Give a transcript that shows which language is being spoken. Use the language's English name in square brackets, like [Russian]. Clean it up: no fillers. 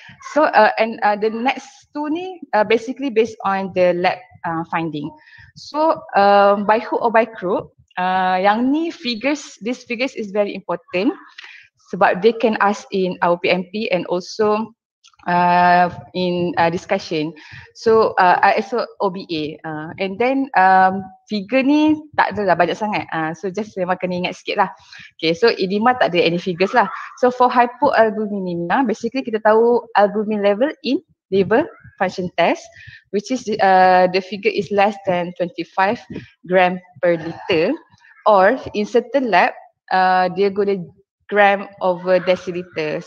[English] So, the next two ni basically based on the lab finding. So, by hook or by crook, [Malay] yang ni [English] figures, these figures is very important [Malay] sebab [English] they can ask in our PMP and also in discussion. So, also OBA. And then, [Malay] figure ni tak adalah banyak sangat. [English] So, just [Malay] memang kena ingat sikit lah. [English] Okay, so edema [Malay] tak ada [English] any figures [Malay] lah. [English] So, for hypoalbuminemia, basically [Malay] kita tahu [English] albumin level in liver function test, which is the figure is less than 25 gram per liter. Or in certain lab, [Malay] dia guna [English] gram over deciliter.